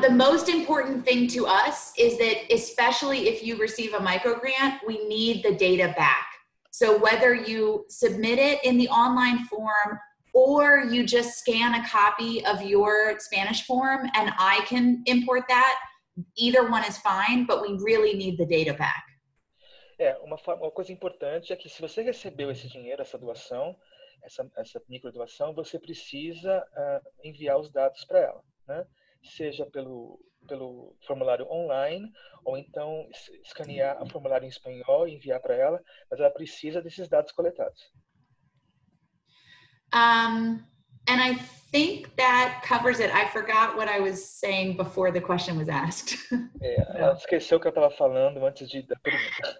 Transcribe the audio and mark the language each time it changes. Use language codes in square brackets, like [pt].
[en] The most important thing to us is that, especially if you receive a micro grant, we need the data back. So whether you submit it in the online form or you just scan a copy of your Spanish form and I can import that, either one is fine, but we really need the data back. [pt] É, uma coisa importante é que se você recebeu esse dinheiro, essa doação, essa micro doação, você precisa enviar os dados para ela, né? Seja pelo formulário online ou então escanear o formulário em espanhol e enviar para ela, mas ela precisa desses dados coletados. [en] And I think that covers it. I forgot what I was saying before the question was asked. [pt] Yeah, ela esqueceu o que eu estava falando antes da pergunta.